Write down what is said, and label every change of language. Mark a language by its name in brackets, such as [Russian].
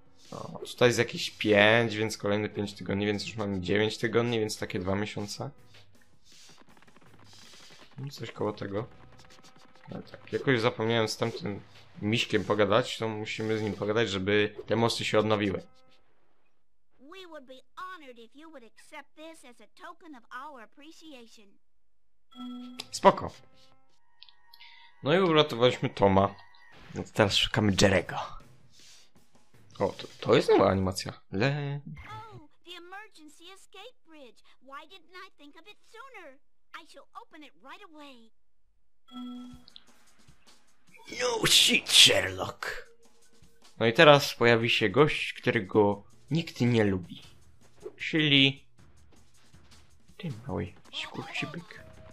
[Polish] O, tutaj jest jakieś 5, więc kolejne 5 tygodni, więc już mamy 9 tygodni, więc takie 2 miesiące. Coś koło tego. Ale tak, jakoś zapomniałem z tamtym miśkiem pogadać, to musimy z nim pogadać, żeby te mosty się odnowiły. [English] We would be honored if you would accept this as a token of our appreciation. [Polish] Spoko. No i uratowaliśmy Toma. Więc teraz szukamy Jerego. O, to jest nowa animacja. [English] The emergency escape bridge. Why didn't I think of it sooner? I shall open it right away. No shit, Sherlock. [Polish] No i teraz pojawi się gość, którego nikt nie lubi. Czyli... Ty mały skurczybyk.